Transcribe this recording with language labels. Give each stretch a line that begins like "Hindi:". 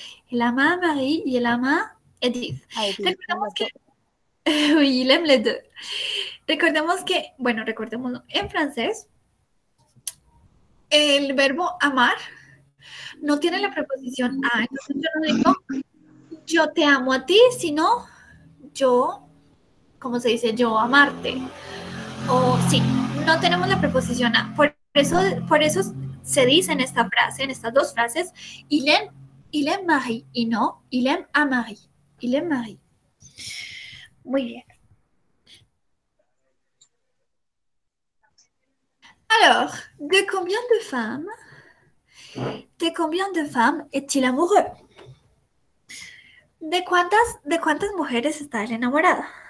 French: Il aime Marie y il aime Edith.
Spanish: Recordemos que...
French: Oui, il aime les deux.
Spanish: Recordemos que, bueno, recordemos en francés, el verbo amar no tiene la preposición a, entonces yo no digo yo te amo a ti, sino yo, ¿cómo se dice? Yo amarte. O sí, no tenemos la preposición a. Por eso se dice en esta frase, en estas dos frases,
French: il aime Marie
Spanish: y no il aime a Marie.
French: Il aime Marie. Muy bien. Alors, de combien de femmes ¿De combien de femmes est-il amoureux?
Spanish: ¿De cuántas mujeres está él enamorado?